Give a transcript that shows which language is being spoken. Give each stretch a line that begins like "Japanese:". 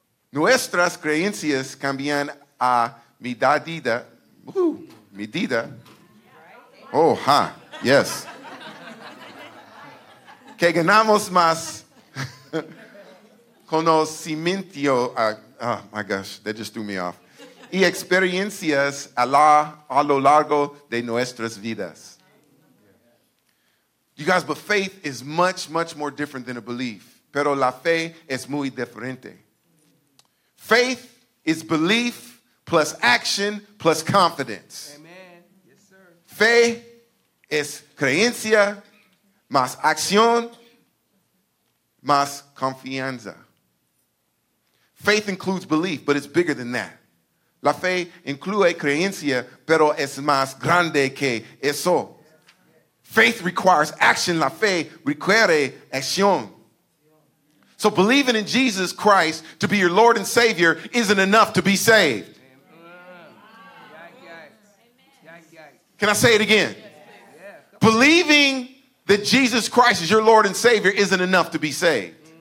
Spanish: Nuestras creencias cambian a medida. Medida. Oh, ha. Huh. Yes. Que ganamos más. Conocimiento,
English: oh my gosh, that just threw me off.
Spanish: Y experiencias a lo largo de nuestras vidas.
English: You guys, but faith is much, much more different than a belief.
Spanish: Pero la fe es muy diferente.
English: Faith is belief plus action plus confidence. Amen. Yes, sir.
Spanish: Fe es creencia más acción más confianza.
English: Faith includes belief, but it's bigger than that.
Spanish: La fe incluye creencia, pero es más grande que eso.
English: Faith requires action.
Spanish: La fe requiere acción.
English: So believing in Jesus Christ to be your Lord and Savior isn't enough to be saved. Can I say it again? Believing that Jesus Christ is your Lord and Savior isn't enough to be saved.